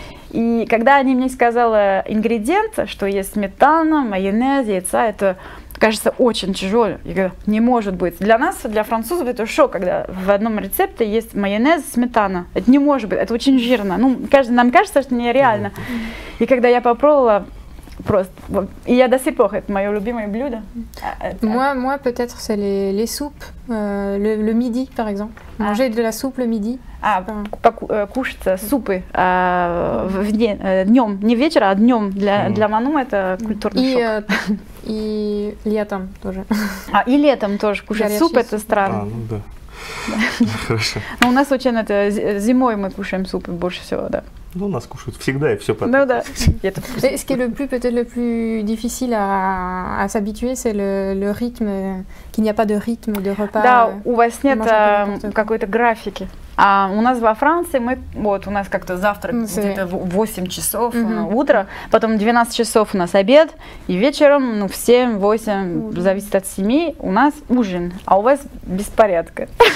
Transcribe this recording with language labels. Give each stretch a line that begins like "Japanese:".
Russian: И когда они мне сказали ингредиенты, что есть сметана, майонез, яйца, это кажется очень тяжело. Я говорю, не может быть. Для нас, для французов, это шок, когда в одном рецепте есть майонез, сметана. Это не может быть, это очень жирно. Ну, нам кажется, что нереально. И когда я попробовала, просто. И я до сих пор, это мое любимое блюдо.
French: Moi, peut-être, c'est les soupes, le midi, par exemple. Manger de la soupe le midi.
Russian: Кушать супы днем, не вечером, а днем. Для Ману это культурный шок. И летом тоже. И летом тоже кушать суп, это странно. Хорошо. Но у нас очень это зимой мы кушаем супы больше всего, да. Ну, нас кушают всегда и все потом. Ну да.
French: Ce qui est le plus peut-être le plus difficile à s'habituer, c'est le rythme, qu'il n'y a pas de rythme de repas.
Russian: Да, у вас нет какой-то графики. А у нас во Франции мы вот у нас как-то завтрак где-то 8 часов утра, потом 12 часов у нас обед, и вечером, ну, в 7-8, зависит от семьи, у нас ужин, а у вас беспорядка.